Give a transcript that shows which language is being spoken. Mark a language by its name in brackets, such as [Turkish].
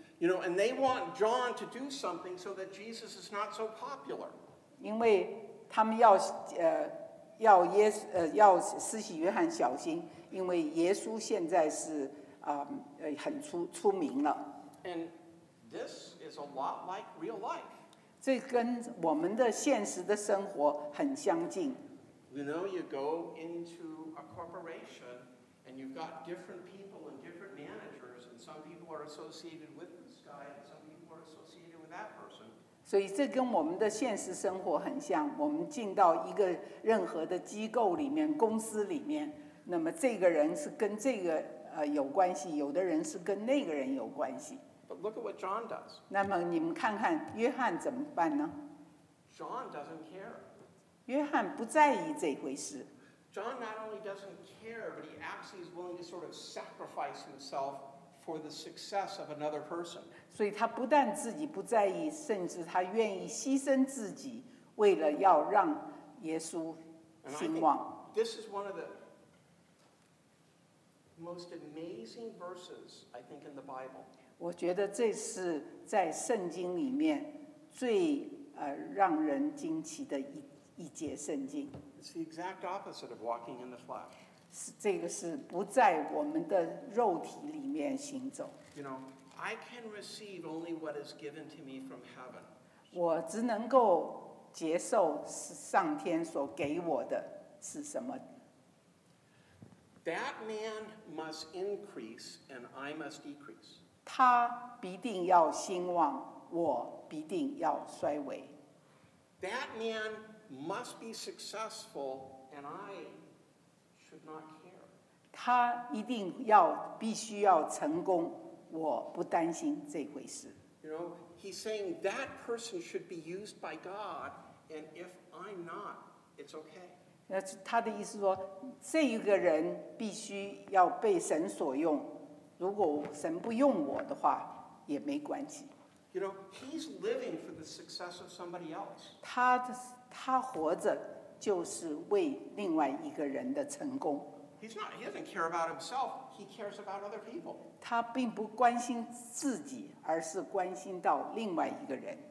[English] You know, and they want John to do something so that Jesus is not so popular. [Chinese] 因为他们要要耶稣要施洗约翰小心，因为耶稣现在是很出名了。 [English] And This is a lot like real life. [Chinese] 这跟我们的现实的生活很相近。 [English] You know, you go into a corporation and you've got different people and different managers and some people are associated with this guy and some people are associated with that person. [Chinese] 所以这跟我们的现实生活很像，我们进到一个任何的机构里面，公司里面，那么这个人是跟这个有关系，有的人是跟那个人有关系。 [English] But look at what John does. [Chinese] 那么你们看看约翰怎么办呢？ [English] John doesn't care. [Chinese] 约翰不在意这回事。 [English] John not only doesn't care, but he actually is willing to sort of sacrifice himself for the success of another person. [Chinese] 所以他不但自己不在意，甚至他愿意牺牲自己，为了要让耶稣兴旺。 [English] And I think this is one of the most amazing verses, I think, in the Bible. [Chinese] 我觉得这是在圣经里面最让人惊奇的一节圣经。 [English] It's the exact opposite of walking in the flesh. [Chinese] 这个是不在我们的肉体里面行走。 [English] You know, I can receive only what is given to me from heaven. [Chinese] 我只能够接受上天所给我的是什么。 [English] That man must increase and I must decrease. [Chinese] 他必定要兴旺，我必定要衰微。 [English] That man must be successful, and I should not care. [Chinese] 他一定要必须要成功，我不担心这回事。 [English] You know, he's saying that person should be used by God, and if I'm not, it's okay. [Chinese] 那他的意思说，这一个人必须要被神所用。如果神不用我的话，也没关系。 [English] You know, he's living for the success of somebody else. [Chinese] 他活着就是为另外一个人的成功。 [English] He doesn't care about himself. He cares about other people. [Chinese] 他并不关心自己，而是关心到另外一个人。